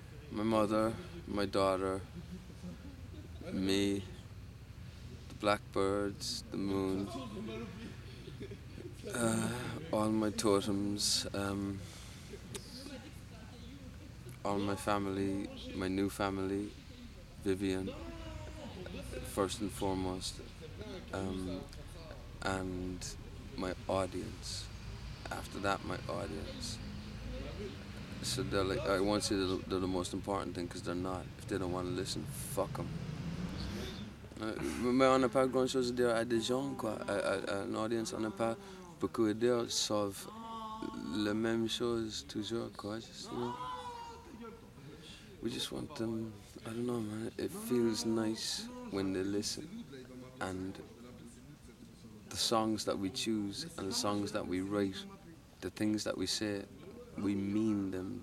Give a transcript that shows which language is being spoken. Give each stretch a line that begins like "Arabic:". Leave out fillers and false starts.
English: My mother, my daughter, me, the blackbirds, the moon, all my totems, all my family, my new family, Vivien, first and foremost, and my audience. After that, my audience. So they're like, I won't say they're the most important thing, because they're not. If they don't want to listen, fuck them.
French: Mais on n'a pas grand chose à dire à des gens, quoi.
English: An audience,
French: on n'a pas beaucoup à dire, sauf la même chose toujours, quoi.
English: Just, you know, we just want them, I don't know, man. It feels nice when they listen. And the songs that we choose and the songs that we write, the things that we say, we mean them.